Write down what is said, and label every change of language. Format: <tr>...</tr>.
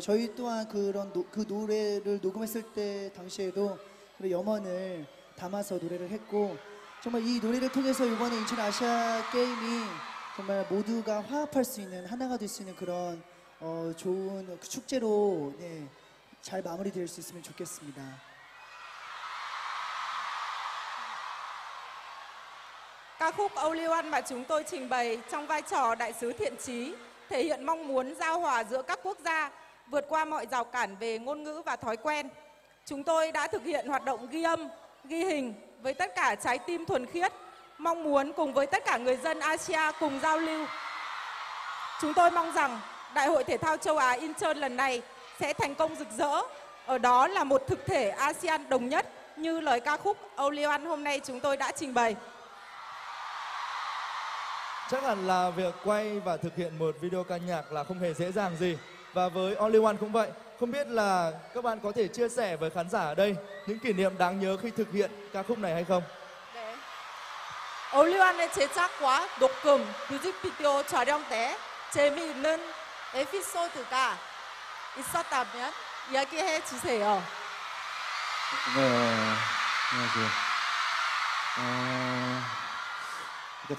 <ko>저희 또한 그런 그 노래를 녹음했을 때 당시에도 그런 염원을 담아서 노래를 했고 정말 이 노래를 통해서 이번에 인천 아시아 게임이 정말 모두가 화합할 수 있는 하나가 될 수 있는 그런 좋은 그 축제로 네, 잘 마무리될 수 있으면 좋겠습니다.</ko> <vi>가 khúc Only One mà chúng tôi trình bày trong vai trò đại sứ thiện chí thể hiện mong muốn giao hòa giữa các quốc gia, vượt qua mọi rào cản về ngôn ngữ và thói quen. Chúng tôi đã thực hiện hoạt động ghi âm, ghi hình với tất cả trái tim thuần khiết, mong muốn cùng với tất cả người dân Asia cùng giao lưu. Chúng tôi mong rằng Đại hội Thể thao Châu Á Incheon lần này sẽ thành công rực rỡ. Ở đó là một thực thể ASEAN đồng nhất như lời ca khúc Only One hôm nay chúng tôi đã trình bày. Chắc hẳn là việc quay và thực hiện một video ca nhạc là không hề dễ dàng gì. Và với Only One cũng vậy. Không biết là các bạn có thể chia sẻ với khán giả ở đây những kỷ niệm đáng nhớ khi thực hiện ca khúc này hay không?</vi> <ko>Only One의 제작과 녹음, 뮤직비디오 촬영 때 재미있는 에피소드가 있었다면 이야기해 주세요. 네, 안녕하세요.</ko>